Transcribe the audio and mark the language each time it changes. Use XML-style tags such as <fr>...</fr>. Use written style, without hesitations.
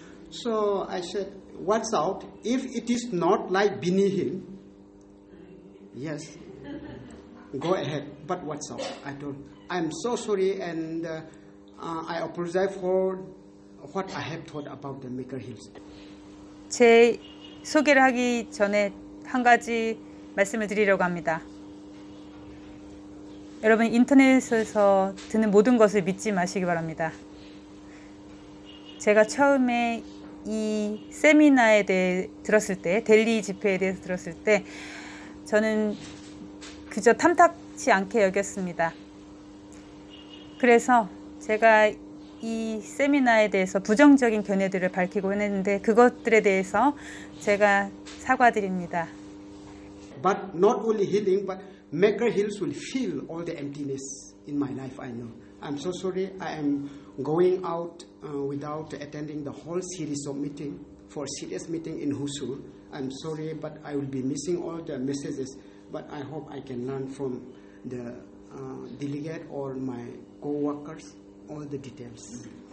<en>So I said, what's out? If it is not like Bini Hill, yes, go ahead, but what's out? I told him, I'm so sorry and I apologize for what I have told about the Maker Hills.</en> <ko>제 소개를 하기 전에 한 가지 말씀을 드리려고 합니다. 여러분, 인터넷에서 듣는 모든 것을 믿지 마시기 바랍니다. 제가 처음에 이 세미나에 대해 들었을 때, 델리 집회에 대해서 들었을 때 저는 그저 탐탁치 않게 여겼습니다. 그래서 제가 이 세미나에 대해서 부정적인 견해들을 밝히고 했는데 그것들에 대해서 제가 사과드립니다.</ko> <en>But not only healing, but Maker Hills will fill all the emptiness in my life, I know. I'm so sorry I am going out without attending the whole series of meeting for serious meeting in Husu. I'm sorry, but I will be missing all the messages. But I hope I can learn from the delegate or my co-workers all the details.</en>